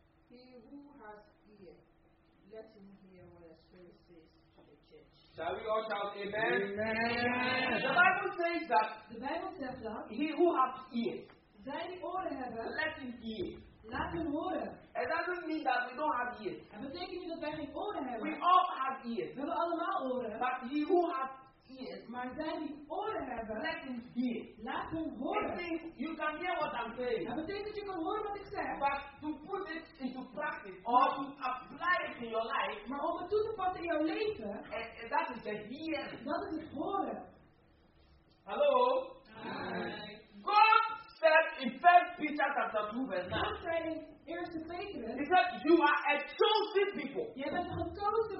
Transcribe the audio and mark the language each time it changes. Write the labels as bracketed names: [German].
[English] He who has ear, let him hear what the Spirit says to the church. Shall we all shout amen? Amen. The Bible says that he who has ears, let him hear. [Dutch] Laat hem horen. [English] It doesn't mean that we don't have ears. [Dutch] Het betekent niet dat wij geen oren hebben. [English] We all have ears. [Dutch] We hebben allemaal oren. [English] But he who has ears, [Dutch] maar zij die oren hebben, [English] let him hear. [Dutch] Laat hem horen. [English] It means you can hear what I'm saying. [Dutch] Het betekent dat je kan horen wat ik zeg. [English] But to put it into practice or to apply it in your life, [Dutch] maar om het toe te passen in jouw leven, [English] and that is the hearing. [Dutch] Dat is het horen. [English] Hallo. God said in 1 Peter chapter 2 verse 9. He said, you are a chosen people. [Dutch] Je bent een gekozen